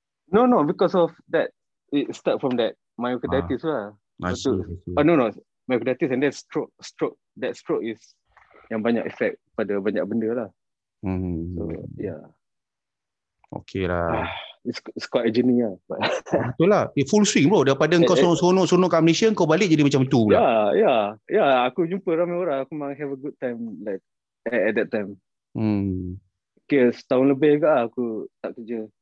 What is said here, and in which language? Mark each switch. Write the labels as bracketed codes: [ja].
[en] No no, because of that it start from that myocarditis lah. [ms] Masuk. [en] Oh no no, myocarditis and then stroke. That stroke is [ms] yang banyak efek pada banyak benda lah. [en] So, yeah. Okay lah. It's quite a journey lah. [ms] Betul lah. [en] It full swing bro. [ms] Daripada kau sonok-sonok kat Malaysia, kau balik jadi macam tu pula. Yeah, yeah. Yeah, aku jumpa ramai orang. Aku memang [en] have a good time like at that time. [ms] Okay, setahun lebih juga lah aku tak kerja.